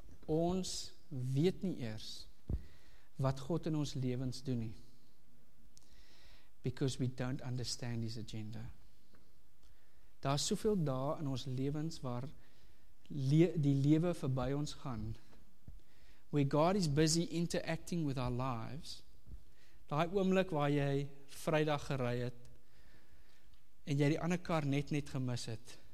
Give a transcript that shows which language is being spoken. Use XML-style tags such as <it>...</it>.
<af>Ons weet nie eers wat God in ons lewens doen nie.</af> <en>Because we don't understand his agenda.</en> <af>Daar is soveel dae in ons lewens waar die lewe verby ons gaan.</af> <en>Where God is busy interacting with our lives.</en> <af>Daai oomblik waar jy Vrydag gery het en jy die ander kar net gemis het.</af>